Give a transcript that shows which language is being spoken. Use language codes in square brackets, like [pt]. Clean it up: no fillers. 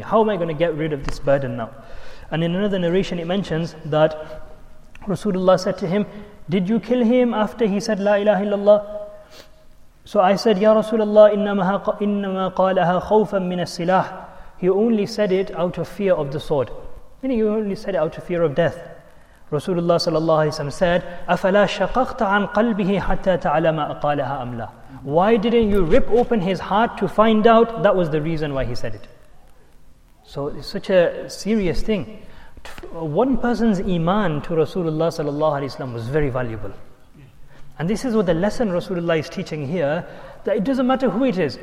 [en] How am I going to get rid of this burden now? And in another narration it mentions that Rasulullah said to him, did you kill him after he said La ilaha illallah? So I said, [ar] Ya Rasulullah, innama qalaha khawfan min as-silah. [en] He only said it out of fear of the sword. Meaning he only said it out of fear of death. [ar] Rasulullah sallallahu alayhi wa sallam said, أَفَلَا شَقَقْتَ عَنْ قَلْبِهِ حَتَّى تَعْلَمَ أَقَالَهَا أَمْ لَا. [en] Why didn't you rip open his heart to find out? That was the reason why he said it. So it's such a serious thing. One person's iman to Rasulullah sallallahu alayhi wa sallam was very valuable. And this is what the lesson Rasulullah is teaching here, that it doesn't matter who it is.